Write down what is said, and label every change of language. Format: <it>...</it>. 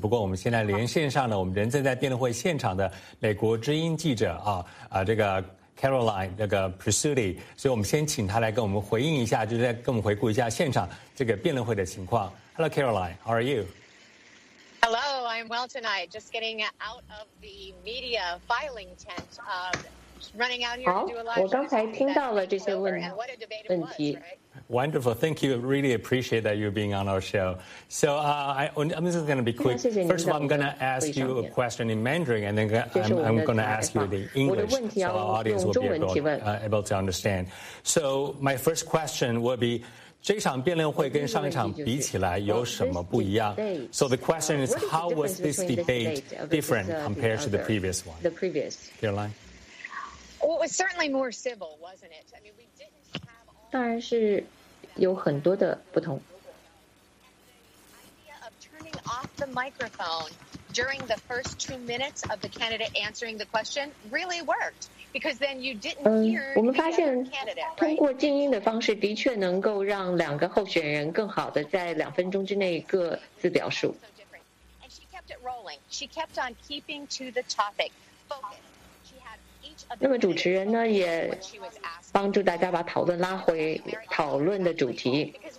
<zh>不过我们现在连线上呢，我们人正在辩论会现场的美国之音记者这个Caroline 那个 Priscilla， 所以我们先请他来跟我们回应一下，就是跟我们回顾一下现场这个辩论会的情况。</zh> <en>Hello, Caroline, how are you? Hello, I'm well tonight. Just getting out of the media filing tent of running out here to do a live show.</en> <zh>好，我刚才听到了这些问题。</zh> <en>Wonderful. Thank you. Really appreciate that you're being on our show. So I'm just going to be quick. First of all, I'm going to ask you a question in Mandarin, and then I'm going to ask you the English so our audience will be able to understand. So my first question will be,</en> <zh>这场辩论会跟上一场比起来有什么不一样?</zh> <en>So the question is, how was this debate different compared to the previous one? The previous. Caroline? Well, it was certainly more civil, wasn't it? I mean, we didn't.</en> <zh>当然是有很多的不同。</zh> <en>Idea of turning off the microphone during the first 2 minutes of the candidate answering the question really worked because then you didn't hear the candidate.</en> <zh>我们发现通过静音的方式的确能够让两个候选人更好的在两分钟之内各自表述。</zh> <en>And she kept it rolling. She kept on keeping to the topic. Focus.</en> <zh>那么主持人呢也帮助大家把讨论拉回讨论的主题。</zh>